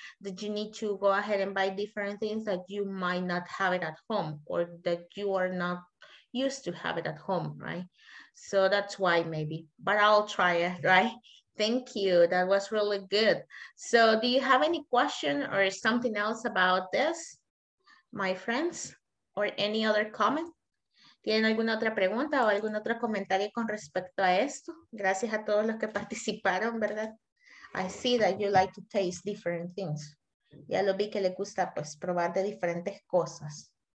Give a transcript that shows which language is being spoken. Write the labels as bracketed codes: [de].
[en] That you need to go ahead and buy different things that you might not have it at home, or that you are not used to have it at home, right? So that's why maybe, but I'll try it, right? Thank you, that was really good. So do you have any question or something else about this, my friends? Or any other comment? [es] ¿Tienen alguna otra pregunta o algún otro comentario con respecto a esto? Gracias a todos los que participaron, ¿verdad? [en] I see that you like to taste different things. [es] Ya lo vi que le gusta pues probar de diferentes cosas.